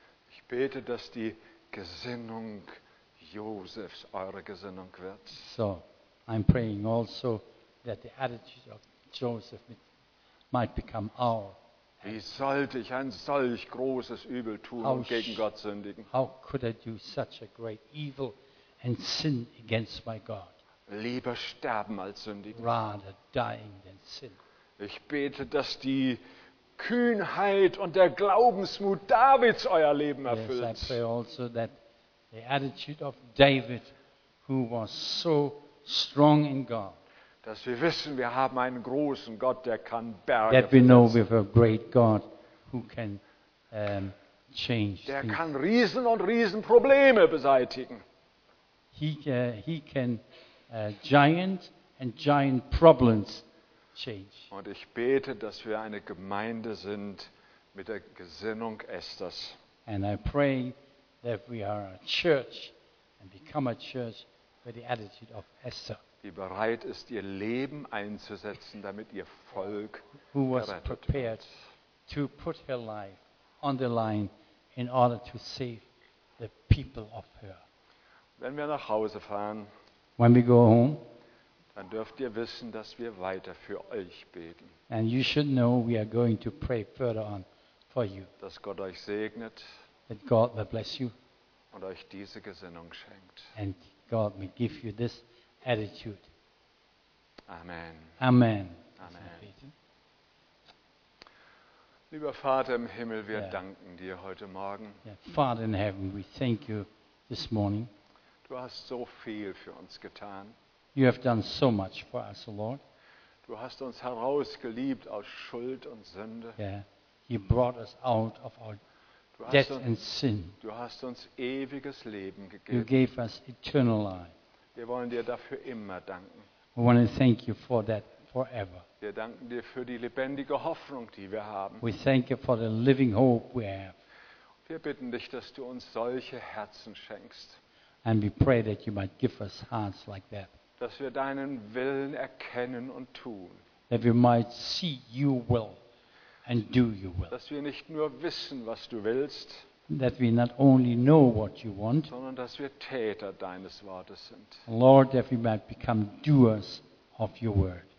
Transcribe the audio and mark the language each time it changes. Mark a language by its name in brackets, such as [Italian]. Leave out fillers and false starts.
[German] Ich bete, dass die Gesinnung Josefs eure Gesinnung wird. [English] So, I'm praying also that the attitude of Joseph might become our. [German] Wie sollte ich ein solch großes Übel tun und gegen Gott sündigen? [English] How could I do such a great evil and sin against my God? [German] Lieber sterben als sündigen. [English] Rather dying than sin. [German] Ich bete, dass die Kühnheit und der Glaubensmut Davids euer Leben erfüllt. [English] Yes, I pray also that the attitude of David, who was so strong in God. [German] Dass wir wissen, wir haben einen großen Gott, der kann Berge versetzen. [English] That we know we have a great God who can change. [German] Der kann Riesen und Riesenprobleme beseitigen. [English] He can giant and giant problems change. [German] Und ich bete, dass wir eine Gemeinde sind mit der Gesinnung Esthers. [English] And I pray that we are a church and become a church with the attitude of Esther. [German] Die bereit ist, ihr Leben einzusetzen, damit ihr Volk [English] who was prepared to put her life on the line in order to save the people of her. [German] Wenn wir nach Hause fahren, [English] when we go home, [German] dann dürft ihr wissen, dass wir weiter für euch beten. [English] And you should know we are going to pray further on for you. [German] Dass Gott euch segnet. [English] That God will bless you. [German] Und euch diese Gesinnung schenkt. [English] And God may give you this attitude. [German] Amen. [English] Amen. Amen. [German] Lieber Vater im Himmel, wir danken dir heute Morgen. [English] Yeah. Father in heaven, we thank you this morning. [German] Du hast so viel für uns getan. [English] You have done so much for us, O Lord. [German] Du hast uns herausgeliebt aus Schuld und Sünde. [English] Yeah. You brought us out of our death and sin. [German] Du hast uns ewiges Leben gegeben. [English] You gave us eternal life. [German] Wir wollen dir dafür immer danken. [English] We want to thank you for that forever. [German] Wir danken dir für die lebendige Hoffnung, die wir haben. [English] We thank you for the living hope we have. [German] Wir bitten dich, dass du uns solche Herzen schenkst. [English] And we pray that you might give us hearts like that. [German] Dass wir deinen Willen erkennen und tun. [English] That we might see your will and do your will. [German] Dass wir nicht nur wissen, was du willst. [English] That we not only know what you want, [German] sondern dass wir Täter deines Wortes sind. [English] Lord, that we might become doers of your word.